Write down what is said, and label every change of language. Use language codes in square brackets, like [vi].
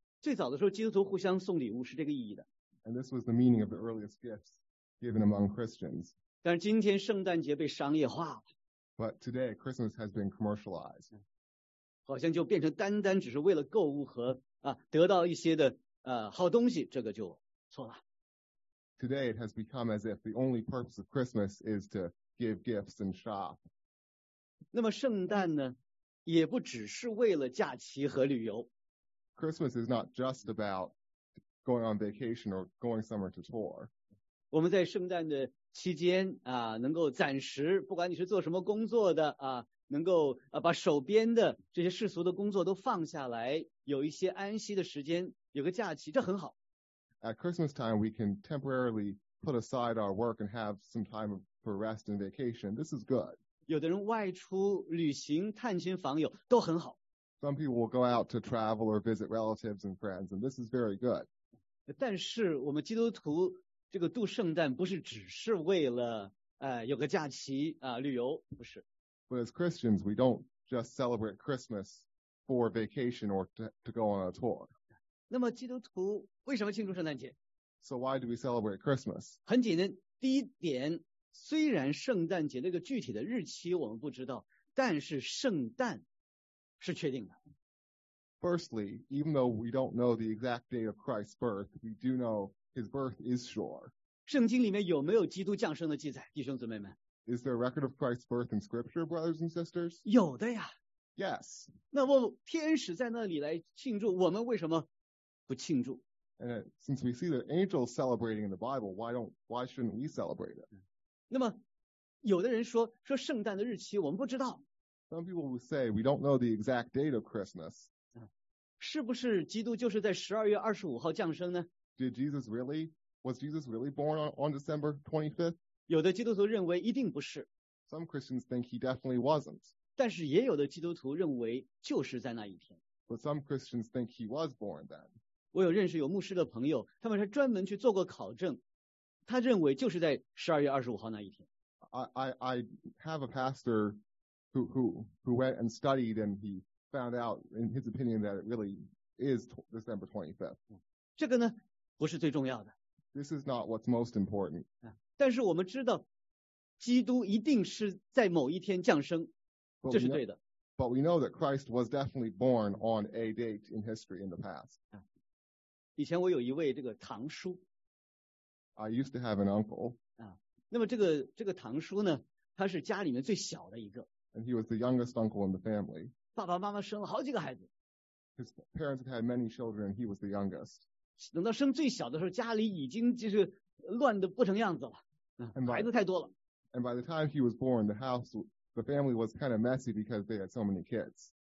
[zh] 最早的时候，基督徒互相送礼物是这个意义的。 [en] And this was the meaning of the earliest gifts given among Christians. [zh] 但是今天圣诞节被商业化了。 [en] But today, Christmas has been commercialized. [zh] 好像就变成单单只是为了购物和得到一些的好东西，这个就错了。 [en] Today it has become as if the only purpose of Christmas is to give gifts and shop. [zh] 那么圣诞呢，也不只是为了假期和旅游。 [en] Christmas is not just about going on vacation or going somewhere to tour. [zh] 我们在圣诞的期间能够暂时，不管你是做什么工作的能够把手边的这些世俗的工作都放下来，有一些安息的时间，有个假期，这很好。 [en] At Christmas time, we can temporarily put aside our work and have some time for rest and vacation. This is good. [zh] 有的人外出旅行、探亲访友都很好。 [en] Some people will go out to travel or visit relatives and friends, and this is very good. [zh] 但是我们基督徒这个度圣诞不是只是为了有个假期旅游，不是。 [en] But as Christians, we don't just celebrate Christmas for vacation or to go on a tour. [zh] 那么基督徒为什么庆祝圣诞节？ [en] So why do we celebrate Christmas? [zh] 很简单，第一点，虽然圣诞节这个具体的日期我们不知道，但是圣诞是确定的。 [en] Firstly, even though we don't know the exact date of Christ's birth, we do know his birth is sure. [zh] 圣经里面有没有基督降生的记载，弟兄姊妹们？ [en] Is there a record of Christ's birth in Scripture, brothers and sisters? [zh] 有的呀。 [en] Yes. [zh] 那么天使在那里来庆祝，我们为什么不庆祝？ [en] And since we see the angels celebrating in the Bible, why shouldn't we celebrate it? [zh] 那么有的人说，说圣诞的日期我们不知道。 [en] Some people would say, we don't know the exact date of Christmas. [zh] 是不是基督就是在12月25号降生呢？ [en] Was Jesus really born on December 25th? [zh] 有的基督徒认为一定不是。 [en] Some Christians think he definitely wasn't. [zh] 但是也有的基督徒认为就是在那一天。 [en] But some Christians think he was born then. [zh] 我有认识有牧师的朋友，他们是专门去做过考证，他认为就是在12月25号那一天。 [en] I have a pastor who went and studied and he found out in his opinion that it really is December 25th. [zh] 这个呢不是最重要的。 [en] This is not what's most important. [zh] 但是我们知道基督一定是在某一天降生，这是对的。 [en] But we know that Christ was definitely born on a date in history in the past. [zh] 以前我有一位这个堂叔。 [en] I used to have an uncle. [zh] 那么这个堂叔呢，他是家里面最小的一个。 [en] And he was the youngest uncle in the family. [zh] 爸爸妈妈生了好几个孩子。 [en] His parents had many children, he was the youngest. [zh] 等到生最小的时候，家里已经就是乱得不成样子了，孩子太多了。 [en] And by the time he was born, the family was kind of messy because they had so many kids.